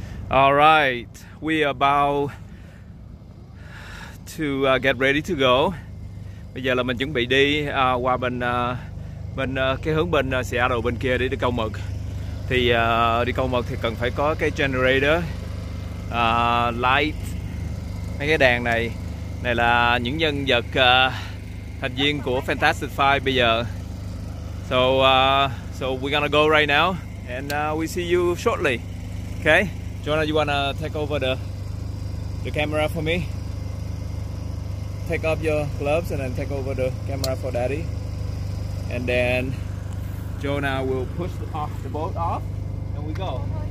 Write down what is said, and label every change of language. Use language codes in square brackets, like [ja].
[en] All right, we are about to get ready to go. [vi] Bây giờ là mình chuẩn bị đi qua bên Seattle bên kia để đi câu mực. Thì đi câu mực thì cần phải có cái generator, light, mấy cái đèn này. Này là những nhân vật thành viên của Fantastic Five bây giờ. [en] So we're gonna go right now and we see you shortly. Okay? Jonah, you wanna take over the camera for me? Take off your gloves and then take over the camera for Daddy. And then Jonah will push the boat off and we go.